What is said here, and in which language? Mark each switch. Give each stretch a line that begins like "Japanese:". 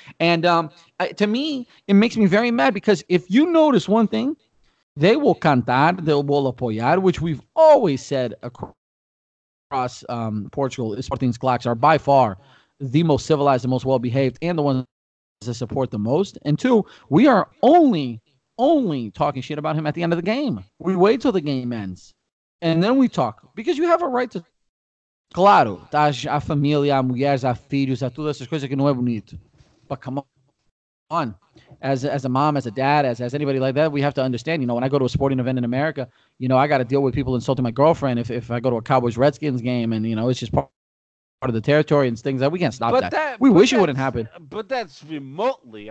English: And to me, it makes me very mad, because if you notice one thing, they will cantar, they will apoyar, which we've always said across Portugal, Sporting's Claques are by far the most civilized, the most well-behaved, and the ones that support the most. And two, we are only talking shit about him at the end of the game. We wait till the game ends, and then we talk, because you have a right to.
Portuguese: Claro, tá a família, a mulheres, a filhos, a todas essas coisas que não é bonito.
English: But come on. As a mom, as a dad, as anybody like that, we have to understand, you know, when I go to a sporting event in America, you know, I got to deal with people insulting my girlfriend if I go to a Cowboys-Redskins game, and, you know, it's just part of the territory and things that we can't stop that. We wish it wouldn't happen. But that's remotely.